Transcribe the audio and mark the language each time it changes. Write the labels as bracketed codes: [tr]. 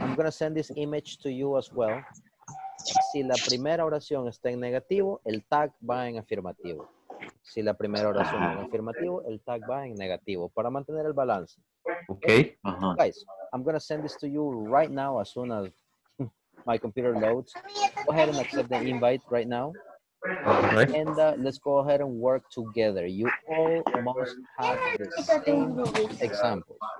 [en] I'm going to send this image to you as well. [es] Si la primera oración está en negativo, el tag va en afirmativo. Si la primera oración es afirmativo, el tag va en negativo para mantener el balance. [en] Okay. Uh-huh. Guys, I'm going to send this to you right now as soon as my computer loads. Go ahead and accept the invite right now. Okay. And let's go ahead and work together. You all must have the same example.